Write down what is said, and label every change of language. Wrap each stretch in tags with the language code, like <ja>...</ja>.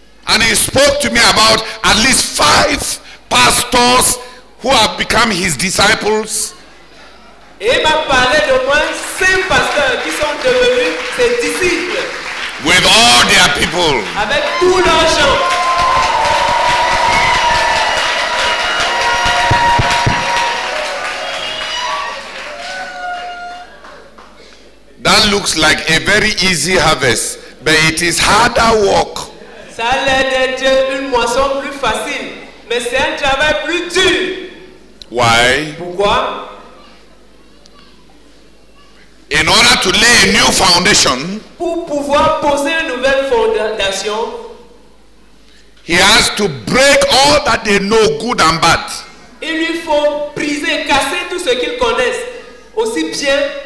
<en>And he spoke to me about at least 5 pastors who have become his disciples.</en> <fr>Et il m'a parlé de moins 5 pasteurs qui sont devenus ses disciples.</fr> <en>With all their people.</en> <fr>Avec tous leurs gens.</fr> <en>That looks like a very easy harvest, but it is harder work.</en> <fr>Ça a l'air d'être une moisson plus facile, mais c'est un travail plus dur.</fr> <en>Why?</en> <fr>Pourquoi?</fr> <en>In order to lay a new foundation,</en> <fr>pour pouvoir poser une nouvelle fondation,</fr> <en>he has to break all that they know, good and bad.</en> <fr>Il lui faut briser, casser tout ce qu'ils connaissent, aussi bien.</fr>